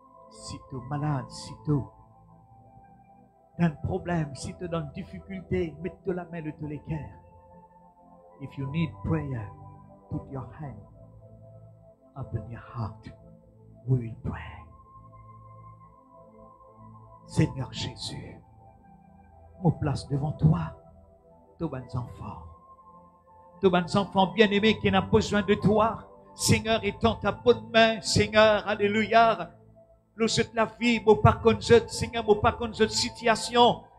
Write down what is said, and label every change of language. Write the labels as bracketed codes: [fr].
[fr] Si tu es malade, si tu as un problème, si tu es dans une difficulté, mets-toi la main sur les cœurs. [en] If you need prayer, put your hand up in your heart. We will pray. [fr] Seigneur Jésus, me place devant toi, tous mes enfants. Tous mes enfants bien-aimés qui n'ont besoin de toi. Seigneur, étends ta bonne main, Seigneur, alléluia. L'autre la vie, mon parcours, Seigneur, mon parcours, situation.